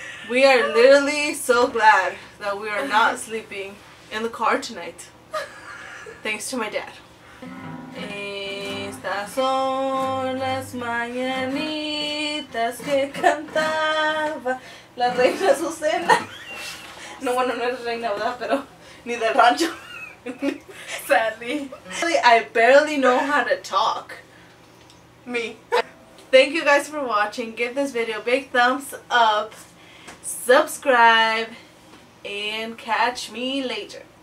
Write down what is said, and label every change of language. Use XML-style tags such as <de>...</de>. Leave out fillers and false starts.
<en>We are literally so glad that we are not sleeping in the car tonight. Thanks to my dad.</en> <es>Estas son las mañanitas que cantaba la reina Azucena. No, bueno, no es reina, ¿verdad? Pero ni del rancho.</es> <en>Sadly. I barely know how to talk. Me. Thank you guys for watching. Give this video a big thumbs up. Subscribe and catch me later.</en>